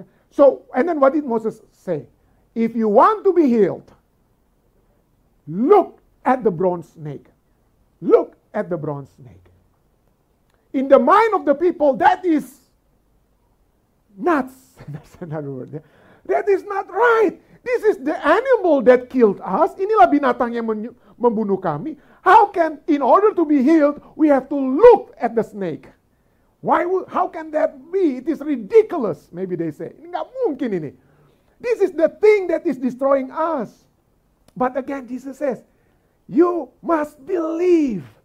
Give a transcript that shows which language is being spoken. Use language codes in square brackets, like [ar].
[en] So, and then what did Moses say? If you want to be healed, look at the bronze snake. Look at the bronze snake. In the mind of the people, that is nuts. That's another word. That is not right. This is the animal that killed us. [id] Inilah binatang yang membunuh kami. [en] How can, in order to be healed, we have to look at the snake? How can that be? It is ridiculous, maybe they say. [id] Nggak mungkin ini. [en] This is the thing that is destroying us. But again, Jesus says, you must believe.